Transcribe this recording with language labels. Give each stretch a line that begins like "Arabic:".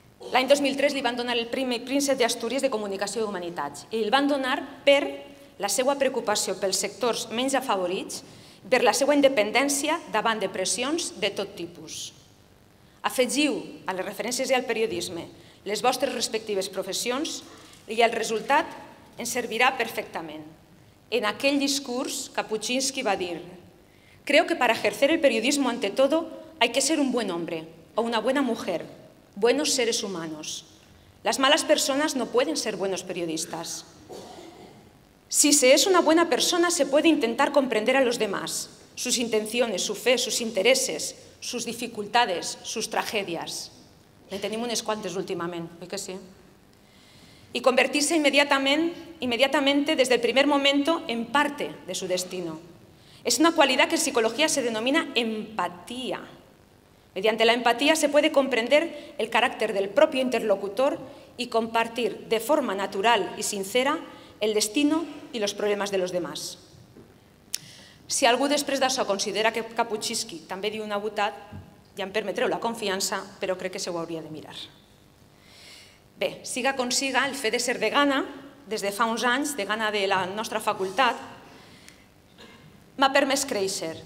Catalan: L'any 2003 li van donar el primer príncep d'Astúries de Comunicació i Humanitats i el van donar per la seva preocupació pels sectors menys afavorits, per la seva independència davant de pressions de tot tipus. Afegiu a les referències i al periodisme les vostres respectives professions i el resultat ens servirà perfectament. En aquell discurs, Kapuscinski va dir:
Spanish: creo que para ejercer el periodismo ante todo hay que ser un buen hombre o una buena mujer, buenos seres humanos. Las malas personas no pueden ser buenos periodistas. Si se es una buena persona, se puede intentar comprender a los demás, sus intenciones, su fe, sus intereses, sus dificultades, sus tragedias.
Catalan: Me tenim unes quantes últimament, oi que sí?
Spanish: Y convertirse inmediatamente desde el primer momento en parte de su destino. Es una cualidad que en psicología se denomina empatía. Mediante la empatía se puede comprender el carácter del propio interlocutor y compartir de forma natural y sincera el destino y los problemas de los demás.
Catalan: Si algú després d'això considera que Kapuscinski també diu una butat, ja em permetreu la confiança, però crec que se ho hauria de mirar. Bé, siga com siga, el fet de ser degana, des de fa uns anys, degana de la nostra facultat, m'ha permès créixer.